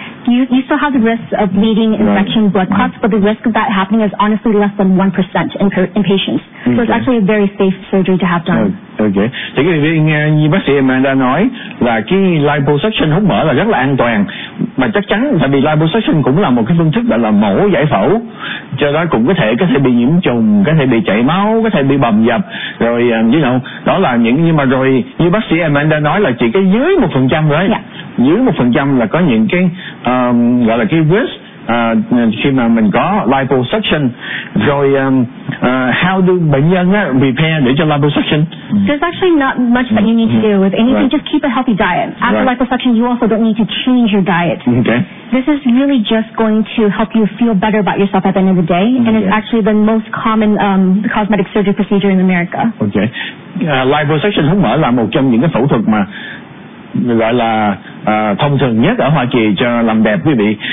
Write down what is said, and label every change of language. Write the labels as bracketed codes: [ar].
[en] You still have the risk of bleeding, infection, blood clots, but the risk of that happening is honestly less than 1% in patients. So it's actually a very safe surgery to have done. Okay. [vi] Thì cái nghe như bác sĩ Amanda nói là cái liposuction hút mỡ là rất là an toàn, mà chắc chắn tại vì liposuction cũng là một cái phương thức là mổ giải phẫu, cho đó cũng có thể bị nhiễm trùng, có thể bị chảy máu, có thể bị bầm dập, rồi [en] you know, [vi] đó là những, nhưng mà rồi như bác sĩ Amanda nói là chỉ cái dưới 1% đấy. Dưới 1% là có những cái gọi là cái risk khi mà mình có liposuction. Rồi [en] how do [vi] bệnh nhân prepare để cho liposuction? [en] There's actually not much that you need to do with anything. Right. Just keep a healthy diet. After liposuction, you also don't need to change your diet. Okay. This is really just going to help you feel better about yourself at the end of the day. And it's actually the most common cosmetic surgery procedure in America. Okay. [vi] Liposuction hút mỡ là một trong những cái phẫu thuật mà gọi là thông thường nhất ở Hoa Kỳ cho làm đẹp quý vị.